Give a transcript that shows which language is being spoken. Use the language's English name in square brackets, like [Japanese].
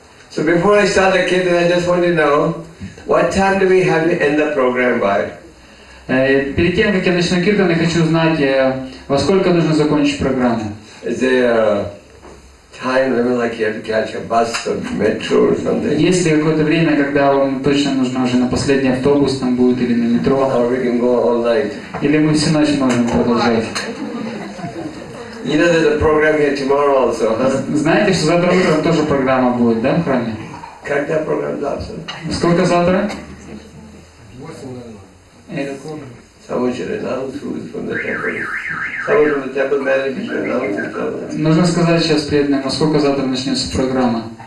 [English] So before I start the kids, I just want to know what time do we have to end the program by? [Russian] Перед тем, как я начну киртан, я хочу узнать, во сколько нужно закончить программу. [English] Is there a time limit, like you have to catch a bus or metro or something? [Russian] Есть ли какое-то время, когда вам точно нужно уже на последний автобус там будет или на метро? [English] Or we can go all night. [Russian] Или мы всю ночь можем продолжать? [English] You know there's a program here tomorrow also, huh? [Russian] Знаете, что завтра утром тоже программа будет, да, в храме? Когда программа завтра? Сколько завтра? [English] 8:00. [Russian] Нужно сказать сейчас преданным, а сколько завтра начнется программа?